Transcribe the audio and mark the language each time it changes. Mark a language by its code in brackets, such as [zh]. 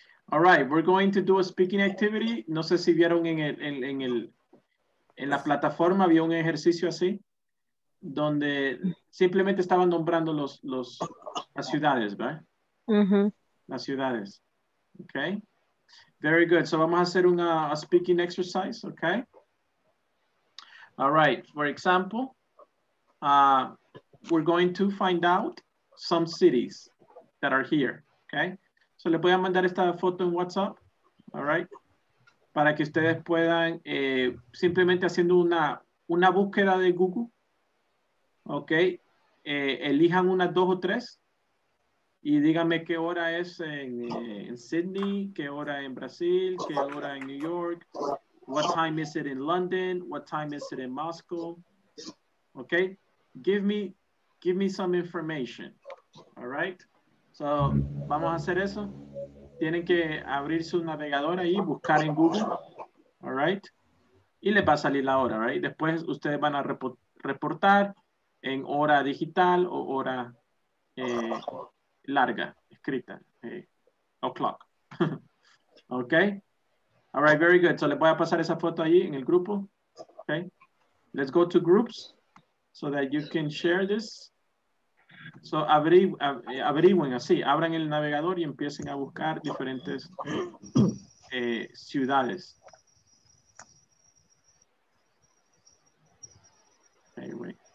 [en] All right, we're going to do a speaking activity. [es] No sé si vieron en la plataforma, había un ejercicio así, donde simplemente estaban nombrando las ciudades, ¿verdad? Mm-hmm. Las ciudades, [en] okay? Very good, so [es] vamos a hacer [en] a speaking exercise, okay? All right, for example, we're going to find out some cities that are here, okay? [es] So, le voy a mandar esta foto en WhatsApp, all right? Para que ustedes puedan, simplemente haciendo una búsqueda de Google, ok? Elijan unas dos o tres y díganme qué hora es en Sydney, qué hora en Brasil, qué hora en New York, [en] what time is it in London, what time is it in Moscow, [es] ok? [en] Give me some information, all right? [es] So, vamos a hacer eso. Tienen que abrir su navegador ahí, buscar en Google, all right? Y les va a salir la hora, right? Después ustedes van a reportar en hora digital o hora larga, escrita, o'clock. Okay? [en] All right, very good. [es] So, les voy a pasar esa foto ahí en el grupo, okay? [en] Let's go to groups so that you can share this. [es] So, abran el navegador y empiecen a buscar diferentes ciudades. [en] Anyway.